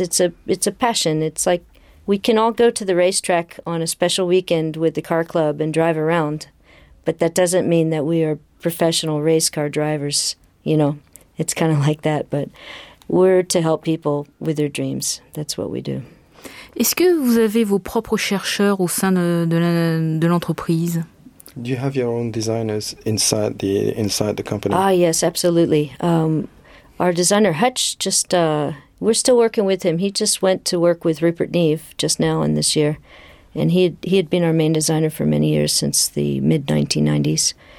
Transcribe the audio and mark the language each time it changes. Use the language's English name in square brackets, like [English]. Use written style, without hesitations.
[English] It's a passion. It's like we can all go to the racetrack on a special weekend with the car club and drive around, but that doesn't mean that we are professional race car drivers. You know, it's kind of like that, but we're to help people with their dreams. That's what we do. [French] Est-ce que vous avez vos propres chercheurs au sein de l'entreprise? [English] Do you have your own designers inside the company? Ah, yes, absolutely. Our designer, Hutch, we're still working with him. He just went to work with Rupert Neve just now and this year. And he had been our main designer for many years, since the mid-1990s.